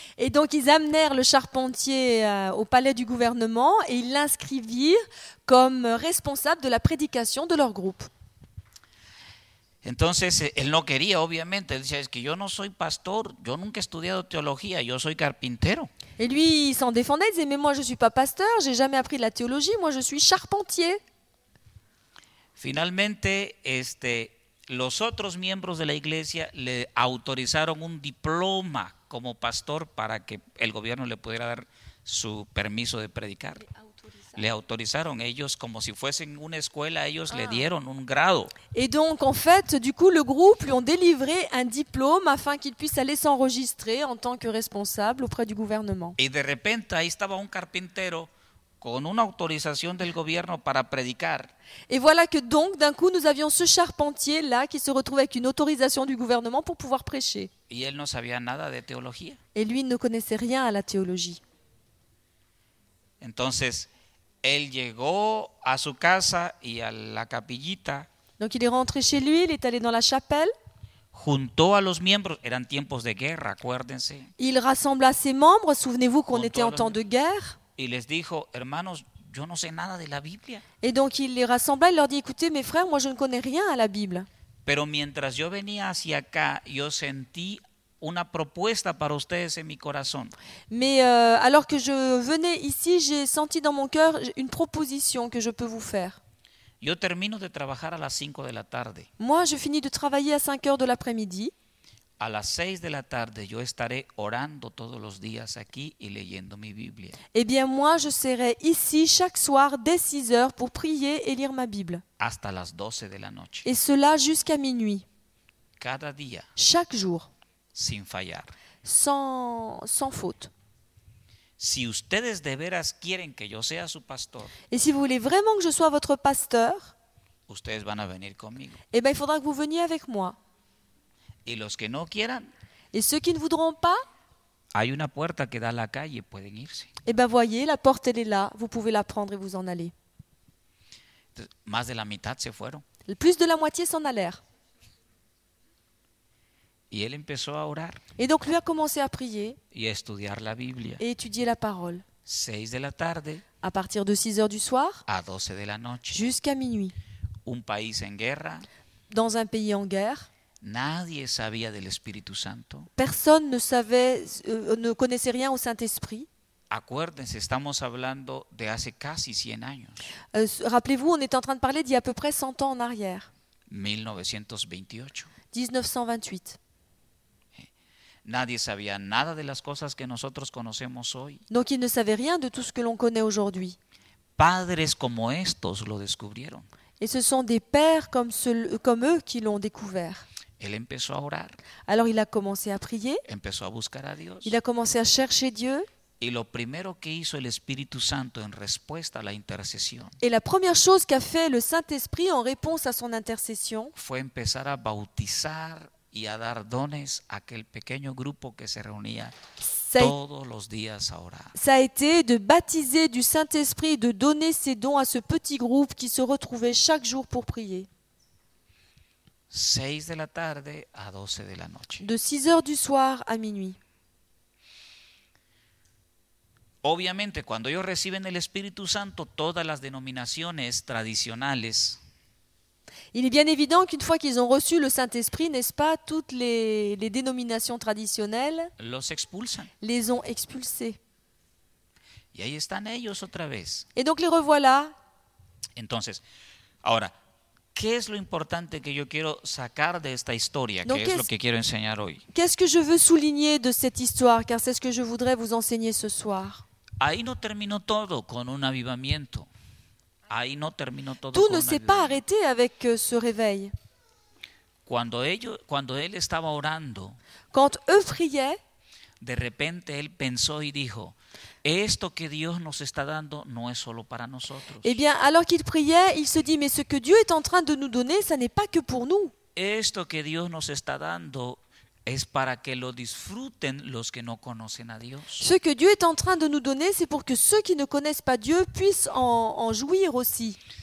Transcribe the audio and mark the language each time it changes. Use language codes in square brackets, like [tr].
[fr] Et donc ils amenèrent le charpentier au palais du gouvernement et ils l'inscrivirent comme responsable de la prédication de leur groupe. [es] Entonces él no quería, obviamente, él dice, es que yo no soy pastor, yo nunca he estudiado teología, yo soy carpintero. [fr] Et lui il s'en défendait, il disait, mais moi je suis pas pasteur, j'ai jamais appris la théologie, moi je suis charpentier. [es] Finalmente, los otros miembros de la iglesia le autorizaron un diploma como pastor para que el gobierno le pudiera dar su permiso de predicar. Le autorizaron ellos como si fuesen una escuela, ellos le dieron un grado. [fr] Et donc en fait, du coup le groupe lui ont délivré un diplôme afin qu'il puisse aller s'enregistrer en tant que responsable auprès du gouvernement. [es] Y de repente ahí estaba un carpintero con una autorización del gobierno para predicar. [fr] Et voilà que donc d'un coup nous avions ce charpentier là qui se retrouvait avec une autorisation du gouvernement pour pouvoir prêcher. [es] Y él no sabía nada de teología. [fr] Et lui ne connaissait rien à la théologie. [es] Entonces él llegó a su casa y a la capillita. [fr] Donc il est rentré chez lui, il est allé dans la chapelle. [es] Juntó a los miembros, eran tiempos de guerra, acuérdense. [fr] Il rassembla ses membres, souvenez-vous qu'on était en temps de guerre. [es] Y les dijo, hermanos, yo no sé nada de la Biblia. [fr] Et donc il les rassembla, il leur dit, écoutez mes frères, moi je ne connais rien à la Bible. [es] Pero mientras yo venía hacia acá, yo sentí una propuesta para ustedes en mi corazón. [fr] Mais alors que je venais ici, j'ai senti dans mon cœur une proposition que je peux vous faire. [es] Yo termino de trabajar a las 5 de la tarde. [fr] Moi, je finis de travailler à 5 heures de l'après-midi. [es] A las 6 de la tarde, yo estaré orando todos los días aquí y leyendo mi Biblia. [fr] Eh bien, moi, je serai ici chaque soir dès 6 heures pour prier et lire ma Bible. [es] Hasta las 12 de la noche. [fr] Et cela jusqu'à minuit. [es] Cada día. [fr] Chaque jour. [es] Sin fallar. [fr] sans faute. [es] Si ustedes de veras quieren que yo sea su pastor. [fr] Et si vous voulez vraiment que je sois votre pasteur? [es] Ustedes van a venir conmigo. [fr] Eh ben il faudra que vous veniez avec moi. [es] Y los que no quieran. [fr] Et ceux qui ne voudront pas? [es] Hay una puerta que da a la calle, pueden irse. [fr] Eh ben voyez, la porte elle est là, vous pouvez la prendre et vous en aller. [es] Más de la mitad se fueron. [fr] Plus de la moitié s'en allèrent. [es] Y él empezó a orar. [fr] Et donc lui a commencé à prier. [es] Y a estudiar la Biblia. [fr] Et étudier la parole. [es] 6 de la tarde. [fr] À partir de 6 heures du soir. [es] A 12 de la noche. [fr] Jusqu'à minuit. [es] Un país en guerra. [fr] Dans un pays en guerre. [es] Nadie sabía del Espíritu Santo. [fr] Personne ne savait ne connaissait rien au Saint-Esprit. [es] Acuérdense, estamos hablando de hace casi 100 años. [fr] Rappelez-vous, on est en train de parler d'il y a à peu près 100 ans en arrière. [es] 1928. Nadie sabía nada de las cosas que nosotros conocemos hoy. [fr] Donc ils ne savaient rien de tout ce que l'on connaît aujourd'hui. [es] Padres como estos lo descubrieron. [fr] Et ce sont des pères comme eux qui l'ont découvert. [es] Él empezó a orar. [fr] Alors il a commencé à prier. [es] Empezó a buscar a Dios. [fr] Il a commencé à chercher Dieu. [es] Y lo primero que hizo el Espíritu Santo en respuesta a la intercesión. [fr] Et la première chose qu'a fait le Saint-Esprit en réponse à son intercession. [es] Fue empezar a bautizar y a dar dones a aquel pequeño grupo que se reunía todos los días a orar. [fr] Ça a été de baptiser du Saint-Esprit, de donner ses dons à ce petit groupe qui se retrouvait chaque jour pour prier. [es] 6 de la tarde a 12 de la noche. [fr] De 6 heures du soir à minuit. [es] Obviamente, cuando ellos reciben el Espíritu Santo, todas las denominaciones tradicionales. [fr] Il est bien évident qu'une fois qu'ils ont reçu le Saint-Esprit, n'est-ce pas, toutes les dénominations traditionnelles [es] los expulsan. [fr] Les ont expulsés. [es] Y ahí están ellos otra vez. [fr] Et donc les revoilà. [es] Entonces, ahora, ¿qué es lo importante que yo quiero sacar de esta historia? Donc, ¿qué es lo que quiero enseñar hoy? [fr] Qu'est-ce que je veux souligner de cette histoire? Car c'est ce que je voudrais vous enseigner ce soir. [es] Ahí no terminó todo con un avivamiento. Ahí no terminó todo. [fr] Tout ne s'est pas arrêté avec ce réveil. [es] Cuando él estaba orando, [fr] quand eux priaient, [es] de repente él pensó y dijo, esto que Dios nos está dando no es solo para nosotros. [fr] Eh bien, alors qu'il priait, il se dit, mais ce que Dieu est en train de nous donner, ça n'est pas que pour nous. [es] Esto que Dios nos está dando es para que lo disfruten los que no conocen a Dios. [fr] Ce que Dieu est en train de nous donner, c'est pour que ceux qui ne connaissent pas Dieu puissent en jouir aussi.